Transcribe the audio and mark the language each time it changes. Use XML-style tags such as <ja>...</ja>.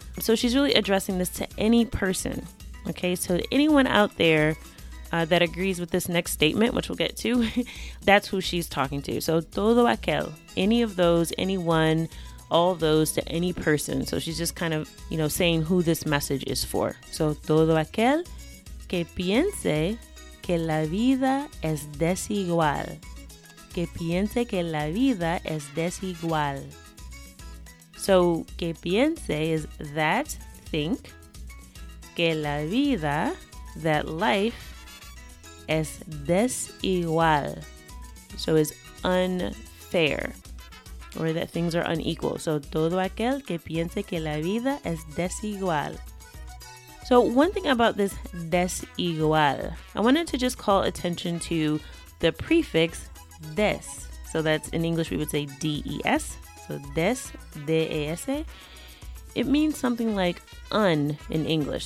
<en>So she's really addressing this to any person, okay? So anyone out there that agrees with this next statement, which we'll get to, that's who she's talking to. So</en> <es>"todo aquel,"</es> <en>any of those, anyone, all of those, to any person. So she's just kind of, you know, saying who this message is for.</en> <es>So "todo aquel que piense que la vida es desigual. Que piense que la vida es desigual." So "que piense"</es> <en>is "that, think."</en> <es>"Que la vida,"</es> <en>that life,</en> <es>"es desigual,"</es> <en>so "is unfair," or "that things are unequal."</en> <es>So "todo aquel que piense que la vida es desigual."</es> <en>So one thing about this "desigual," I wanted to just call attention to the prefix "des." So that's, in English we would say "des." So "des," "des," it means something like "un" in English.</en>